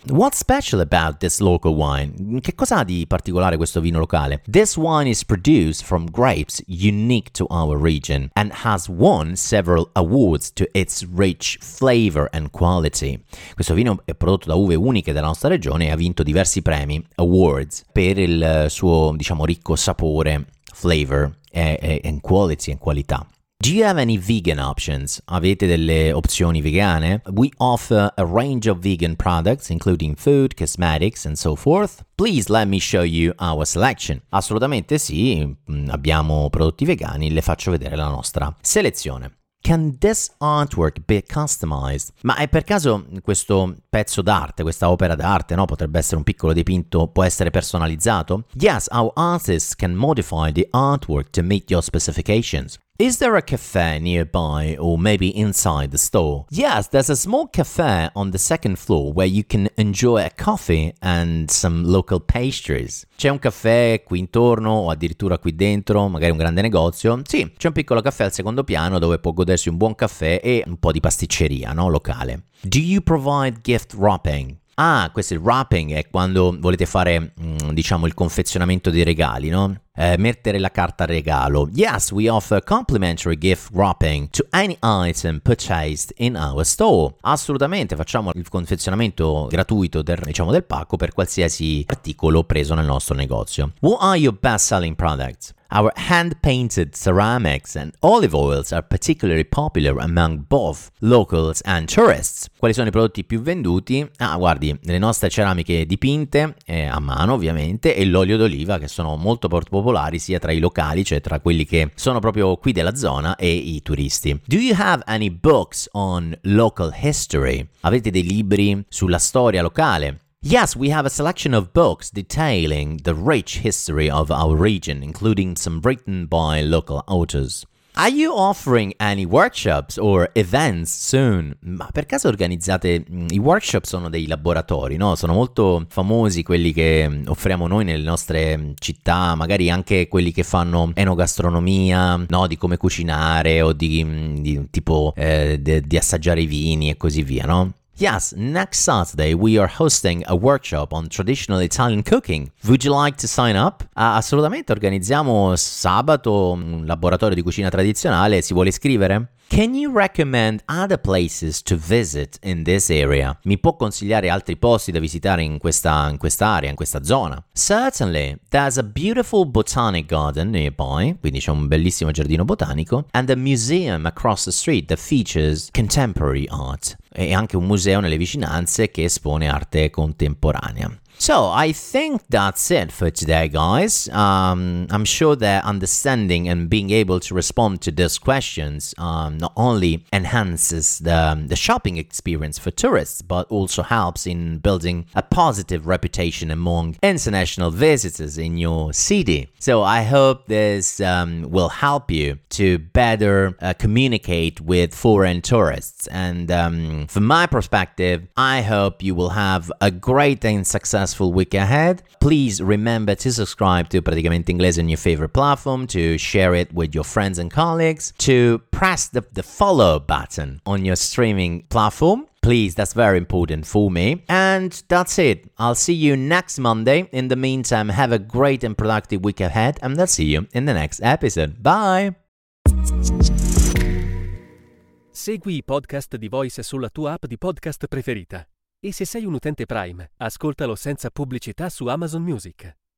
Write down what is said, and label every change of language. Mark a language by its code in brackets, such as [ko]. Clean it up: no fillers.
[en] What's special about this local wine? [it] Che cosa ha di particolare questo vino locale? [en] This wine is produced from grapes unique to our region and has won several awards to its rich flavor and quality. [it] Questo vino è prodotto da uve uniche della nostra regione e ha vinto diversi premi, awards, per il suo, diciamo, ricco sapore, [en] flavor and quality, and [it] qualità. [en] Do you have any vegan options? [it] Avete delle opzioni vegane? [en] We offer a range of vegan products, including food, cosmetics, and so forth. Please let me show you our selection. [it] Assolutamente sì, abbiamo prodotti vegani, le faccio vedere la nostra selezione. [en] Can this artwork be customized? [it] Ma è per caso questo pezzo d'arte, questa opera d'arte, no? Potrebbe essere un piccolo dipinto, può essere personalizzato? [en] Yes, our artists can modify the artwork to meet your specifications. Is there a cafe nearby or maybe inside the store? Yes, there's a small cafe on the second floor where you can enjoy a coffee and some local pastries. [it] C'è un caffè qui intorno o addirittura qui dentro, magari un grande negozio. Sì, c'è un piccolo caffè al secondo piano dove può godersi un buon caffè e un po' di pasticceria, no, locale. [en] Do you provide gift wrapping? [it] Ah, questo è il wrapping, è quando volete fare, diciamo, il confezionamento dei regali, no? Mettere la carta regalo. [en] Yes, we offer complimentary gift wrapping to any item purchased in our store. [it] Assolutamente, facciamo il confezionamento gratuito del, diciamo, del pacco per qualsiasi articolo preso nel nostro negozio. [en] What are your best-selling products? Our hand-painted ceramics and olive oils are particularly popular among both locals and tourists. [it] Quali sono i prodotti più venduti? Ah, guardi, le nostre ceramiche dipinte, a mano ovviamente, e l'olio d'oliva, che sono molto popolari sia tra i locali, cioè tra quelli che sono proprio qui della zona, e i turisti. [en] Do you have any books on local history? [it] Avete dei libri sulla storia locale? [en] Yes, we have a selection of books detailing the rich history of our region, including some written by local authors. Are you offering any workshops or events soon? [it] Ma per caso organizzate... I workshop sono dei laboratori, no? Sono molto famosi quelli che offriamo noi nelle nostre città, magari anche quelli che fanno enogastronomia, no? Di come cucinare o di tipo di assaggiare i vini e così via, no? [en] Yes, next Saturday we are hosting a workshop on traditional Italian cooking. Would you like to sign up? [it] Assolutamente, organizziamo sabato un laboratorio di cucina tradizionale. Si vuole iscrivere? [en] Can you recommend other places to visit in this area? [it] Mi può consigliare altri posti da visitare in quest'area, in questa zona? [en] Certainly. There's a beautiful botanic garden nearby, [it] quindi c'è un bellissimo giardino botanico, [en] and a museum across the street that features contemporary art. [it] E anche un museo nelle vicinanze che espone arte contemporanea. [en] So, I think that's it for today, guys. I'm sure that understanding and being able to respond to those questions not only enhances the shopping experience for tourists, but also helps in building a positive reputation among international visitors in your city. So, I hope this will help you to better communicate with foreign tourists. And from my perspective, I hope you will have a great and successful week ahead. Please remember to subscribe to Praticamente Inglese on your favorite platform, to share it with your friends and colleagues, to press the follow button on your streaming platform. Please, that's very important for me. And that's it. I'll see you next Monday. In the meantime, have a great and productive week ahead, and I'll see you in the next episode. Bye! [it] Segui i podcast di Voice sulla tua app di podcast preferita. E se sei un utente Prime, ascoltalo senza pubblicità su Amazon Music.